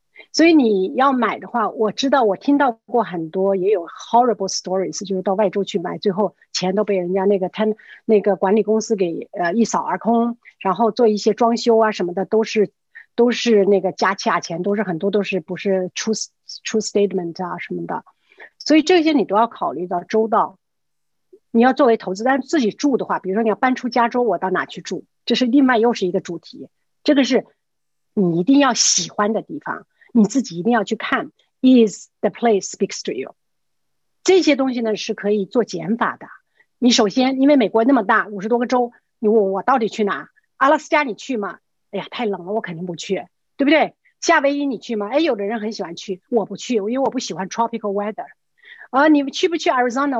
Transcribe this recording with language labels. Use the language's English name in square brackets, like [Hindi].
[Chinese] 所以你要买的话，我知道我听到过很多也有 [English] horrible stories， [Chinese] 就是到外州去买，最后钱都被人家那个管理公司给一扫而空，然后做一些装修啊什么的，都是那个加价钱，都是很多都是不是 [English] true statement [Chinese] 啊什么的，所以这些你都要考虑到周到。你要作为投资，但自己住的话，比如说你要搬出加州，我到哪去住，这是另外又是一个主题，这个是你一定要喜欢的地方。你自己一定要去看 ， [English] Is the place speaks to you？ [Chinese] 这些东西呢是可以做减法的。你首先，因为美国那么大，五十多个州，你问 我到底去哪？阿拉斯加你去吗？哎呀，太冷了，我肯定不去，对不对？夏威夷你去吗？哎，有的人很喜欢去，我不去，因为我不喜欢 [English] tropical weather。 [Chinese] 你去不去 Arizona？